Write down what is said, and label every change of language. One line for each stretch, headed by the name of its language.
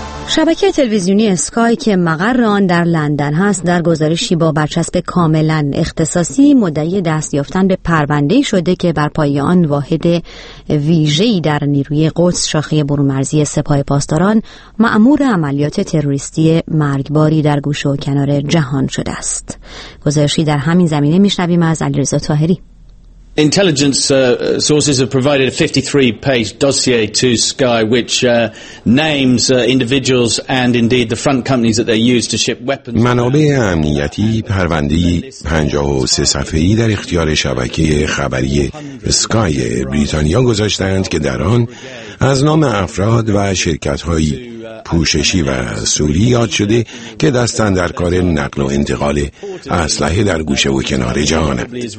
Persian: شبکه تلویزیونی اسکای که مقر آن در لندن هست در گزارشی با برچسب کاملا اختصاصی مدعی دست یافتن به پرونده‌ای شده که بر پایه آن واحد ویژه‌ای در نیروی قدس شاخه برون‌مرزی سپاه پاسداران مأمور عملیات تروریستی مرگباری در گوشه و کنار جهان شده است. گزارشی در همین زمینه می‌شنویم از علیرضا طاهری.
English: Intelligence sources have provided a 53-page dossier to Sky, which names individuals and indeed the front companies that they use to ship weapons.
Persian: منابع امنیتی پرونده‌ای 53 صفحه‌ای در اختیار شبکه خبری سکای بریتانیا گذاشتند که در آن از نام افراد و شرکت‌های پوششی و سوری یاد شده که دستن در کار نقل و انتقال اسلحه در گوشه و کنار جهانند.